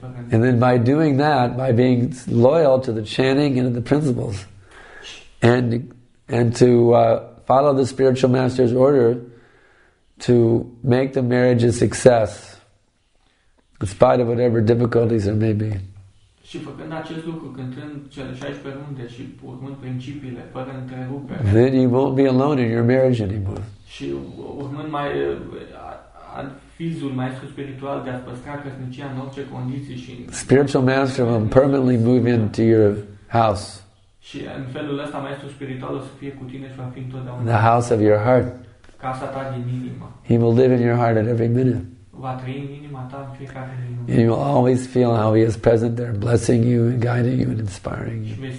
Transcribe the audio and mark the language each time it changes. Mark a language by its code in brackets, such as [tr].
[en] And then by doing that, by being loyal to the chanting and to the principles, and to follow the spiritual master's order to make the marriage a success, in spite of whatever difficulties there may be. [ro] Și făcând acest lucru, cântând cele 16 runde și urmând principiile, fără întrerupere. [en] Then you won't be alone in your marriage anymore. [ro] Și urmând mai avizul maestru spiritual de a păstra căsnicia în orice condiții și [en] spiritual master will permanently move into your house. [ro] Și în felul ăsta maestru spiritual o să fie cu tine și va fi întotdeauna. [en] The house of your heart. [ro] Casa ta din inimă. [en] He will live in your heart at every minute. And you will always feel how he is present there, blessing you and guiding you and inspiring you.